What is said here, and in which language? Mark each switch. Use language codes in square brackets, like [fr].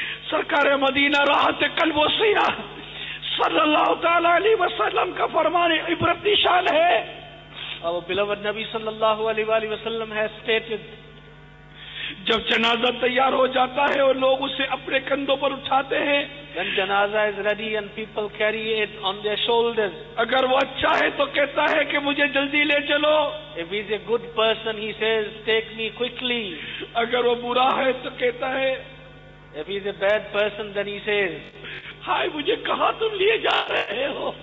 [ur] سرکار مدینہ راحت قلب و سینہ صلی اللہ تعالی علیہ وسلم کا فرمان عبرت نشان ہے. [en] Our beloved Nabi sallallahu alaihi wa sallam has stated, [ur] جب جنازہ تیار ہو جاتا ہے اور لوگ اسے اپنے کندھوں پر اٹھاتے ہیں. [en] When janaza is ready and people carry it on their shoulders. [ur] اگر وہ اچھا ہے تو کہتا ہے کہ مجھے جلدی لے چلو. [en] If he is a good person he says take me quickly. [ur] اگر وہ برا ہے تو کہتا ہے. [en] If he is a bad person then he says, [ur] ہائے مجھے کہاں تم لیے جا رہے ہو؟